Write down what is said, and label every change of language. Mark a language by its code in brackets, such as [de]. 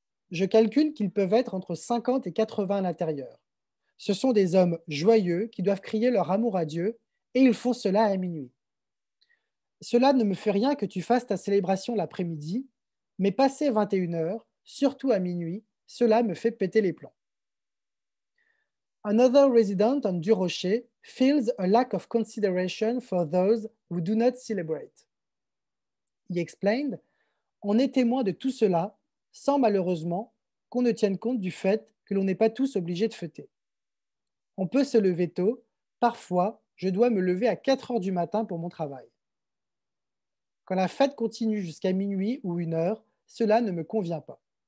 [fr] Je calcule qu'ils peuvent être entre 50 et 80 à l'intérieur. Ce sont des hommes joyeux qui doivent crier leur amour à Dieu et ils font cela à minuit. Cela ne me fait rien que tu fasses ta célébration l'après-midi, mais passé 21 heures, surtout à minuit, cela me fait péter les plombs. [en] Another resident on Du Rocher feels a lack of consideration for those who do not celebrate. He explained, [fr] on est témoin de tout cela, sans malheureusement qu'on ne tienne compte du fait que l'on n'est pas tous obligés de fêter. On peut se lever tôt, parfois je dois me lever à 4 heures du matin pour mon travail. Quand la fête continue jusqu'à minuit ou une heure, cela ne me convient pas.